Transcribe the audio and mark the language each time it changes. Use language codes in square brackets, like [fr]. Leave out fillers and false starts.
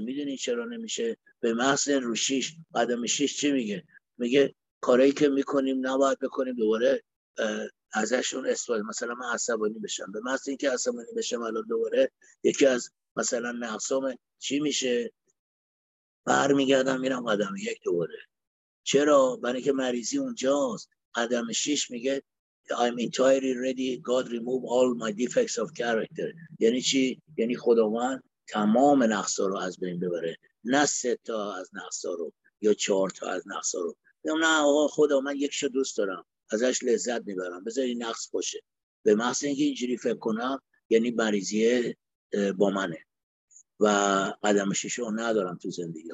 [fa] میدونی چرا نمیشه؟ به محض رو 6، قدم 6 چی میگه؟ میگه کارایی که میکنیم نباید بکنیم دوباره ازشون استفاده. مثلا من عصبانی بشم، به محض اینکه عصبانی بشم الان دوباره یکی از مثلا نقصام چی میشه؟ برمیگردم میرم قدم 1 دوباره. چرا؟ برای که مریضی اونجاست. قدم 6 میگه [en] I'm entirely ready, God remove all my defects of character. [fa] یعنی چی؟ یعنی خداوند تمام نقصا رو از بین ببره، نه 3 تا از نقصا رو یا 4 تا از نقصا رو. نه آقا، خدا من یک شو دوست دارم، ازش لذت میبرم، بذار این نقص باشه. به محض اینکه اینجوری فکر کنم یعنی مریضیه با منه و قدم 6 رو ندارم تو زندگی.